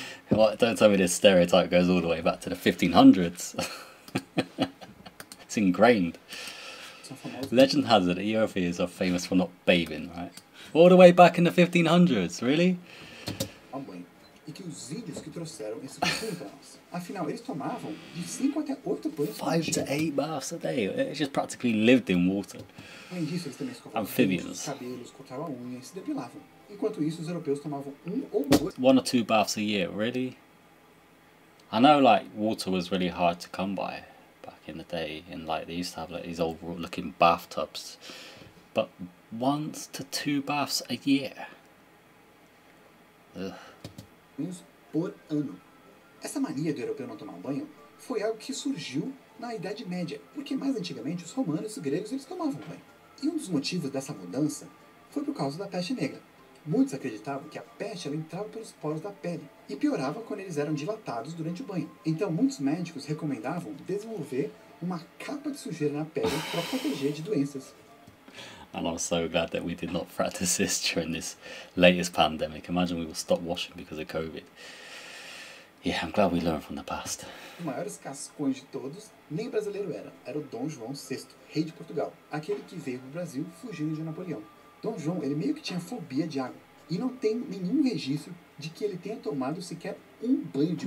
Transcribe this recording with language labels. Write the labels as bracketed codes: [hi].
[en] Well, don't tell me this stereotype goes all the way back to the 1500s. It's ingrained. Legend has it that Europeans are famous for not bathing, right? All the way back in the 1500s, really? [pt] E que os índios que trouxeram esses banhos, afinal, eles tomavam de 5 até 8 banhos. [en] 5 to 8 baths a day. It just practically lived in water. [pt] Além disso, eles também escovavam amphibians. Os cabelos, cortavam a unha e se depilavam. Enquanto isso, os europeus tomavam um ou dois. [en] One or two baths a year, really? I know, like, water was really hard to come by back in the day, and like they used to have like these old looking bathtubs, but once to two baths a year. [pt] Por ano. Essa mania do europeu não tomar banho foi algo que surgiu na Idade Média, porque mais antigamente os romanos e os gregos eles tomavam banho. E um dos motivos dessa mudança foi por causa da peste negra. Muitos acreditavam que a peste ela entrava pelos poros da pele e piorava quando eles eram dilatados durante o banho. Então, muitos médicos recomendavam desenvolver uma capa de sujeira na pele para proteger de doenças. [en] And I'm so glad that we did not practice this during this latest pandemic. Imagine we will stop washing because of COVID. Yeah, I'm glad we learned from the past. [pt] O maior cascões de todos, nem brasileiro era. Era o Dom João VI, rei de Portugal. Aquele que veio para o Brasil fugindo de Napoleão. Dom João, ele meio que tinha fobia de água. E não tem nenhum registro de que ele tenha tomado sequer um banho de